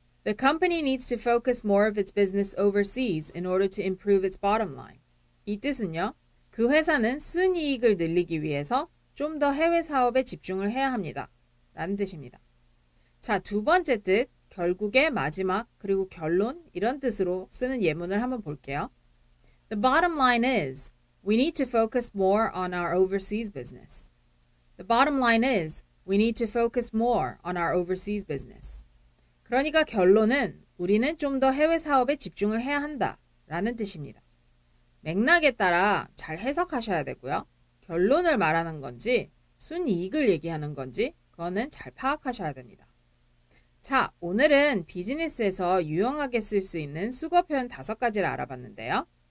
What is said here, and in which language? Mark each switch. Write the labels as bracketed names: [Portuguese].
[English] The company needs to focus more of its business overseas in order to improve its bottom line. [Korean] 이 뜻은요. 그 회사는 순이익을 늘리기 위해서 좀 더 해외 사업에 집중을 해야 합니다. 라는 뜻입니다. 자, 두 번째 뜻, 결국에 마지막, 그리고 결론 이런 뜻으로 쓰는 예문을 한번 볼게요. [English] The bottom line is we need to focus more on our overseas business. The bottom line is we need to focus more on our overseas business. [Korean] 그러니까 결론은 우리는 좀 더 해외 사업에 집중을 해야 한다 라는 뜻입니다. 맥락에 따라 잘 해석하셔야 되고요. 결론을 말하는 건지 순이익을 얘기하는 건지 그거는 잘 파악하셔야 됩니다. 자, 오늘은 비즈니스에서 유용하게 쓸 수 있는 수거 표현 다섯 가지를 알아봤는데요.